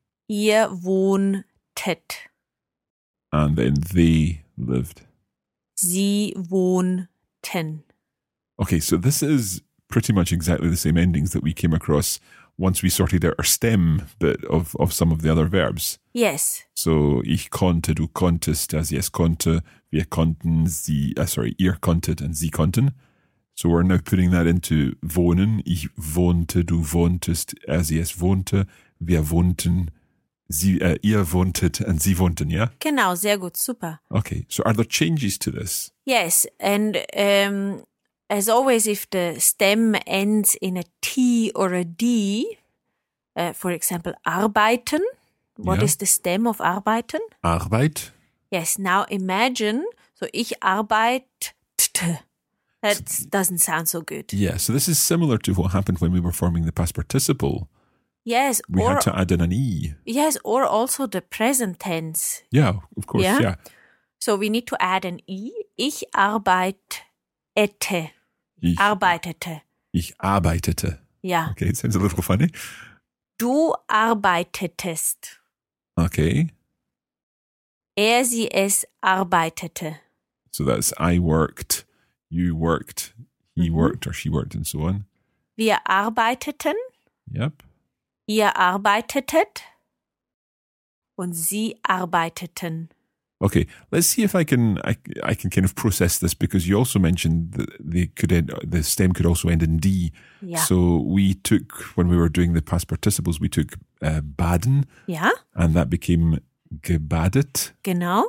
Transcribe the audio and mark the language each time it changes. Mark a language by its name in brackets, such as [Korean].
[German] Ihr wohntet. [English] And then they lived. [German] Sie wohnten. [English] Okay, so this is pretty much exactly the same endings that we came across once we sorted out our stem bit of some of the other verbs. Yes. [German] So ich konnte, du konntest, er, sie, es konnte, wir konnten, ihr konntet and sie konnten. [English] So we're now putting that into wohnen. [German] Ich wohnte, du wohntest, er, sie, es wohnte, wir wohnten, ihr wohntet and sie wohnten, yeah? Genau, sehr gut, super. [English] Okay, so are there changes to this? Yes, and as always, if the stem ends in a T or a D, for example, arbeiten, what is the stem of arbeiten? [German] Arbeit. [English] Yes, now imagine, so [German] ich arbeitete. [English] That doesn't sound so good. Yeah, so this is similar to what happened when we were forming the past participle. Yes. We had to add in an E. Yes, or also the present tense. Yeah, of course, yeah. So we need to add an E. [German] Ich arbeitete. Ich arbeitete. Ich arbeitete. [English] Yeah. Okay, it sounds a little funny. [German] Du arbeitetest. Okay. Er, sie, es arbeitete. [English] So that's I worked, you worked, he worked or she worked and so on. [German] Wir arbeiteten. [English] Yep. [German] Ihr arbeitetet und sie arbeiteten. [English] Okay, let's see if I can kind of process this because you also mentioned that the stem could also end in D. Yeah. So we took, when we were doing the past participles, we took baden. Yeah. And that became gebadet. [German] Genau.